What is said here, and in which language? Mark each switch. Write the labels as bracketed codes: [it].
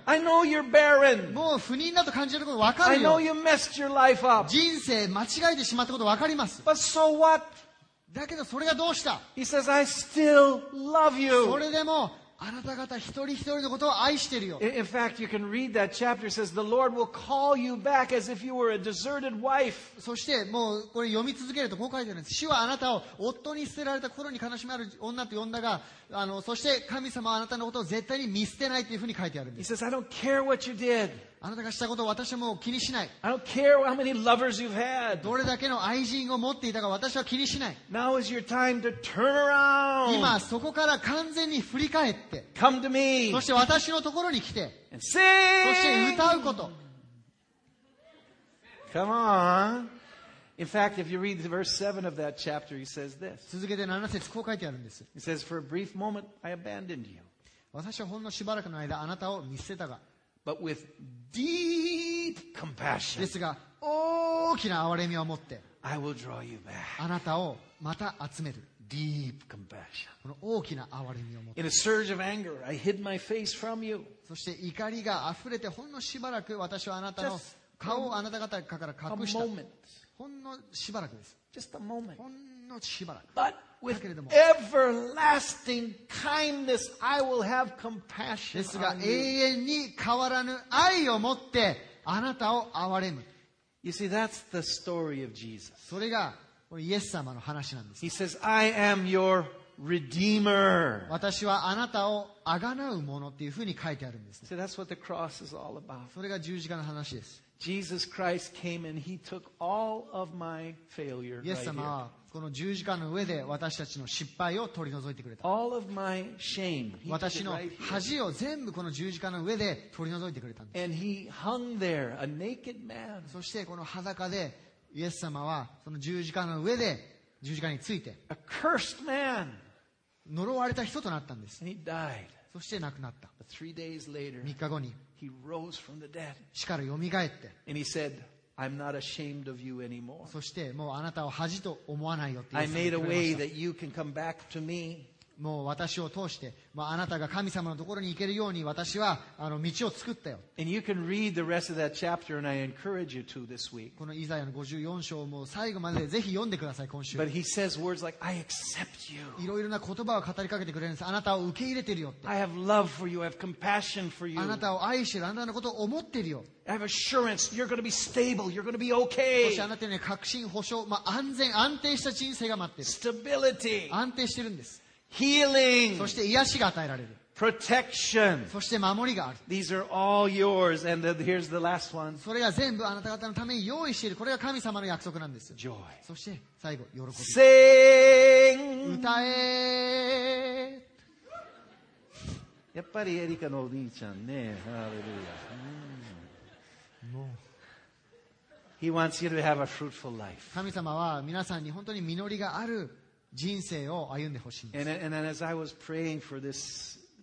[en] I know you're barren. [ja] もう不妊だと感じること分かるよ。 [en] I know you messed your life up. [ja] 人生間違えてしまったこと分かります。 [en] But so what? [ja] だけどそれがどうした? [en] He says, I still love you. [ja] それでもあなた方一人一人のことを愛してるよ。 [en] In fact, you can read that chapter. It says the Lord will call you back as if you were a deserted wife. [ja] そしてもうこれ読み続けるとこう書いてあるんです。主はあなたを夫に捨てられた頃に悲しみある女と呼んだが、そして神様はあなたのことを絶対に見捨てないというふうに書いてあるんです。 [en] He says, I don't care what you did. [ja] あなたがしたことを私も気にしない。 [en] I don't care how many lovers you've had. [ja] どれだけの愛人を持っていたか私は気にしない。 [en] Now is your time to turn around. [ja] 今そこから完全に振り返って。 [en] Come to me. [ja] そして私のところに来て。 [en] And sing. [ja] そして歌うこと。 [en] Come on. In fact, if you read verse 7 of that chapter, he says this. [ja] 続けて7節こう書いてあるんです。 [en] He says, "For a brief moment, I abandoned you." [ja] 私はほんのしばらくの間、あなたを見捨てたが。 [en] But with deep compassion. [ja] ですが、大きな憐れみを持って。 [en] I will draw you back. [ja] あなたをまた集める。 [en] Deep compassion. [ja] この大きな憐れみを持って。 [en] In a surge of anger, I hid my face from you. [ja] そして怒りが溢れてほんのしばらく私はあなたの顔をあなた方から隠した。 [en] A moment. [ja] ほんのしばらくです。 [en] Just a moment. [ja] ほんのしばらく。 [en] But with everlasting kindness, I will have compassion. [ja] ですが、永遠に変わらぬ愛を持ってあなたを憐れむ。 [en] You see, that's the story of Jesus. [ja] それがイエス様の話なんです。 [en] He says, "I am your redeemer." [ja] 私はあなたを贖うものっていうふうに書いてあるんです、ね。 [en] See, that's what the cross is all about. [ja] それが十字架の話です。 [en] Jesus Christ came and He took all of my failure. [ja] イエス様はこの十字架の上で私たちの失敗を取り除いてくれた。 [en] All of my shame. [ja] 私の恥を全部この十字架の上で取り除いてくれたんです。 [en] And He hung there, a naked man. [ja] そしてこの裸でイエス様はその十字架の上で十字架について。 [en] A cursed man. [ja] 呪われた人となったんです。 [en] And He died. [ja] そして亡くなった。 [en] But 3 days later. [ja] 三日後に。 [en] He rose from the dead. [ja] 死からよみがえって。 [en] And he said, "I'm not ashamed of you anymore." [ja] そしてもうあなたを恥と思わないよって。 [en] I made a way that you can come back to me. [ja] もう私を通して、まああなたが神様のところに行けるように私はあの道を作ったよ。 [en] And you can read the rest of that chapter, and I encourage you to this week. [ja] このイザヤの54章も最後までぜひ読んでください今週。 [en] But he says words like, "I accept you." [ja] いろいろな言葉を語りかけてくれるんです。あなたを受け入れてるよって。 [en] I have love for you. I have compassion for you. [ja] あなたを愛してる。あなたのことを思ってるよ。 [en] I have assurance. You're going to be stable. You're going to be okay. [ja] もしあなたに確信保証、まあ安全安定した人生が待ってる。 [en] Stability. [ja] 安定してるんです。 [en] Healing. [ja] そして癒しが与えられる。 [en] Protection. [ja] そして守りがある。 [en] These are all yours, and here's the last one. [ja] それが全部あなた方のために用意している。これが神様の約束なんです。 [en] Joy. [ja] そして最後、喜び。 [en] Sing. [ja] 歌え。やっぱりエリカのお兄ちゃんね。ハレルヤ。もう。 [en] He wants you to have a fruitful life. [ja] 神様は皆さんに本当に実りがある。人生を歩んでほしいんです。